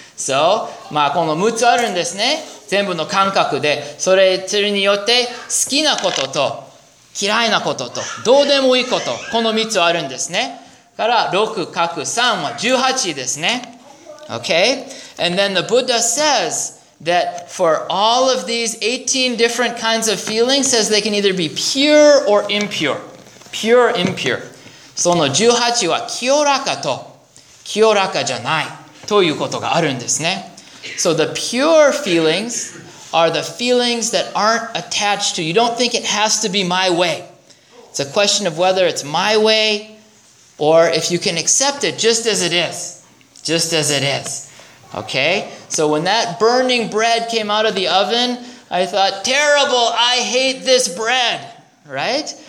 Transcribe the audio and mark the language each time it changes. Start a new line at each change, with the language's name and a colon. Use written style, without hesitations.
English: So,
Japanese: この6つあるんですね。全部の感覚で、それによって好きなことと嫌いなことと、どうでもいいこと、 この3つあるんですね。から6×3は18ですね。
English: Okay? And then the Buddha says that for all of these 18 different kinds of feelings, says they can either be pure or impure. Pure, impure.
Japanese: その18は清らかと清らかじゃないということがあるんですね。
English: So the pure feelings are the feelings that aren't attached to. You don't think it has to be my way. It's a question of whether it's my way or if you can accept it just as it is. Just as it is. Okay? So when that burning bread came out of the oven, I thought, terrible, I hate this bread. Right?